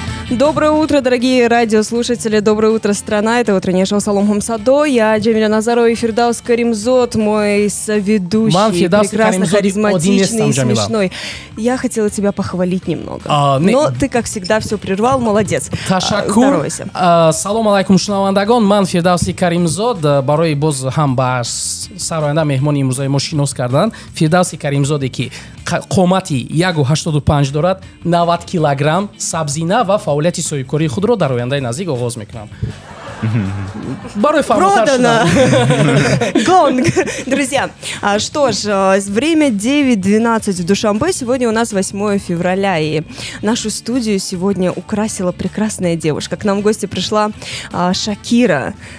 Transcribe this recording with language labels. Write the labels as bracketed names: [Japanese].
[Russian] Доброе утро, дорогие радиослушатели. Доброе утро, страна. Это утреннее шоу «Салом Хамсадо». Я Джамиля Назарова и Фирдаус Каримзот, мой соведущий. Мам, Фирдаус Каримзот, харизматичный и смешной. Я хотела тебя похвалить немного. Но ты, как всегда, все прервал. Молодец. [Tajik] Ташакур. [Russian] Здоровайся. [Tajik] Салом алейкум шунавандагон. Ман Фирдаус Каримзот. Барои боз хам ба сароянда меҳмони имрӯзаи мо шинос кардан. Фирдаус Каримзоте ки қомати 1.85 дорад, 90 килограмм, сабзина ва фаъолияти соҳибкории худро дар ояндаи назик оғоз мекунам. Барой [Russian] продано. Гонг. Друзья, что ж, время 9.12 в Душанбе. Сегодня у нас 8 февраля. И нашу студию сегодня украсила прекрасная девушка. К нам в гости пришла Шакира.